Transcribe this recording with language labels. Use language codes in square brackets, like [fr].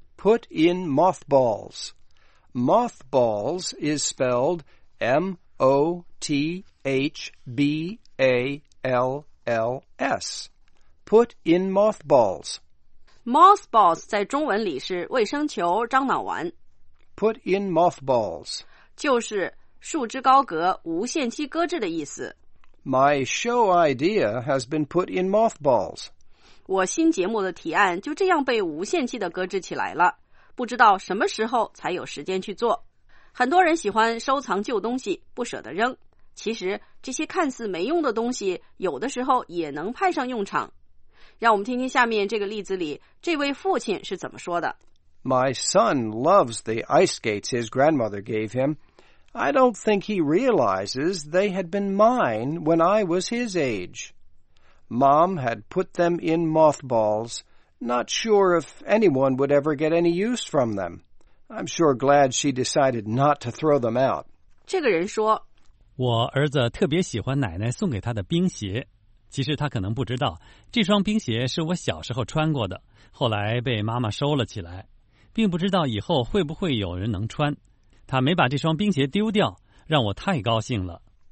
[en] Put in mothballs。 Mothballs is spelled M-O-T-H-B-A-L-L-S. Put in mothballs. [zh] Mothballs 在中文里是卫生球、樟脑丸。 [en] Put in mothballs. [zh] 就是束之高阁、无限期搁置的意思。 [en] My show idea has been put in mothballs. [zh] 我新节目的提案就这样被无限期的搁置起来了。不知道什么时候才有时间去做。很多人喜欢收藏旧东西，不舍得扔。其实这些看似没用的东西，有的时候也能派上用场。让我们听听下面这个例子里，这位父亲是怎么说的。 [en] My son loves the ice skates his grandmother gave him. I don't think he realizes they had been mine when I was his age. Mom had put them in mothballs. Not sure if anyone would ever get any use from them. I'm sure glad she decided not to throw them out. [zh] 这个人说，我儿子特别喜欢奶奶送给他的冰鞋。其实他可能不知道，这双冰鞋是我小时候穿过的，后来被妈妈收了起来，并不知道以后会不会有人能穿。他没把这双冰鞋丢掉，让我太高兴了。